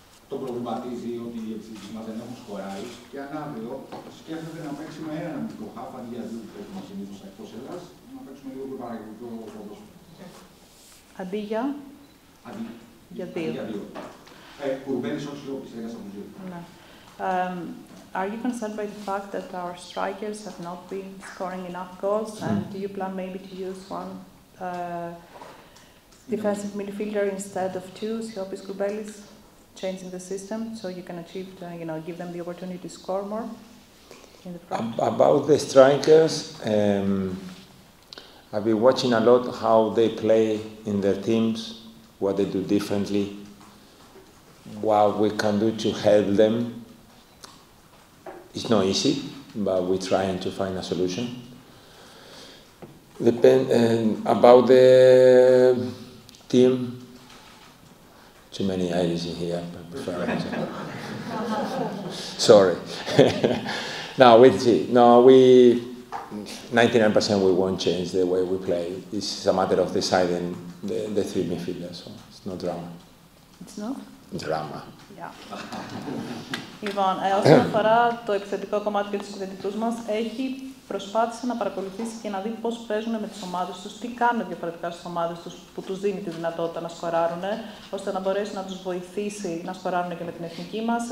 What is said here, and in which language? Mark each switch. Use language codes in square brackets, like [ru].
[el] Το προβληματίζει ότι οι διευθυντές μας δεν έχουν σκοράρει και αν αύριο σκέφτεται να παίξουμε ένα αμυντικό χάφ αντί για δύο που παίξουμε συνήθως εκτός έδρας, να παίξουμε λίγο πιο παραγωγικό όπως. [en] Are you concerned by the fact that our strikers have not been scoring enough goals, and do you plan maybe to use one defensive midfielder instead of two, Siopis Kubelis, changing the system so you can achieve, you know, give them the opportunity to score more in the front. About the strikers, I've been watching a lot how they play in their teams, what they do differently, what we can do to help them. It's not easy, but we're trying to find a solution. Depend about the team. Too many ideas in here. Sorry. Now we see. Now we 99% we won't change the way we play. It's a matter of deciding the three midfielders. So it's no drama. It's not drama. Yeah. [el] Λοιπόν, όσον αφορά το επιθετικό κομμάτι και τους επιθετικούς μας, έχει προσπάθησε να παρακολουθήσει και να δει πώς παίζουν με τις ομάδες τους, τι κάνουν διαφορετικά στις ομάδες τους που τους δίνει τη δυνατότητα να σκοράρουν, ώστε να μπορέσει να τους βοηθήσει να σκοράρουν και με την εθνική μας.